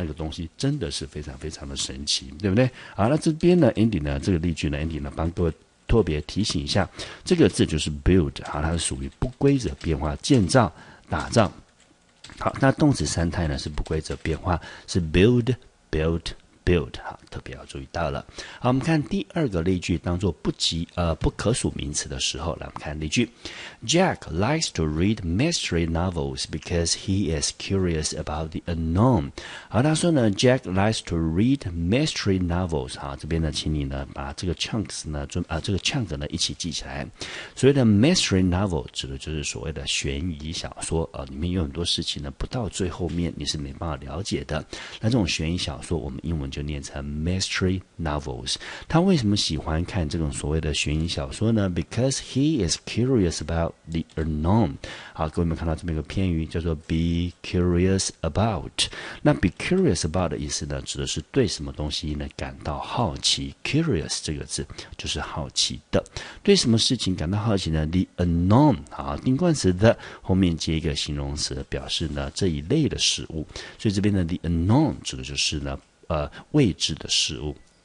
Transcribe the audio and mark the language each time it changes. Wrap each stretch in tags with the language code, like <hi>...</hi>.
<zh>那个东西真的是非常非常的神奇，对不对？好，那这边呢 ，Andy 呢，这个例句呢 ，Andy 呢，帮各位特别提醒一下，这个字就是 build， 好，它是属于不规则变化、建造、打造。好，那动词三态呢是不规则变化，是 build。好，特别要注意到了。好，我们看第二个例句，当作不可数名词的时候，来我们看例句。</zh> <en>Jack likes to read mystery novels because he is curious about the unknown。</en> <zh>好，他说呢</zh> <en>Jack likes to read mystery novels。</en> <zh>好，这边呢请你呢把这个 chunks 呢这个 chunk 呢一起记起来。所谓的 mystery novel 指的就是所谓的悬疑小说，里面有很多事情呢不到最后面你是没办法了解的。那这种悬疑小说我们英文就念成mystery novels。他为什么喜欢看这种所谓的悬疑小说呢？</zh> <en>because he is curious about the unknown。</en> <zh>好，各位们看到这边有个片语叫做</zh> <en>be curious about。</en> <zh>那</zh> <en>be curious about</en> <zh>的意思呢指的是对什么东西呢感到好奇， curious 这个字就是好奇的。对什么事情感到好奇呢？</zh> <en>the unknown。</en> <zh>好，定冠词的后面接一个形容词表示呢这一类的事物，所以这边的 the unknown 指的就是呢未知的事物。</zh>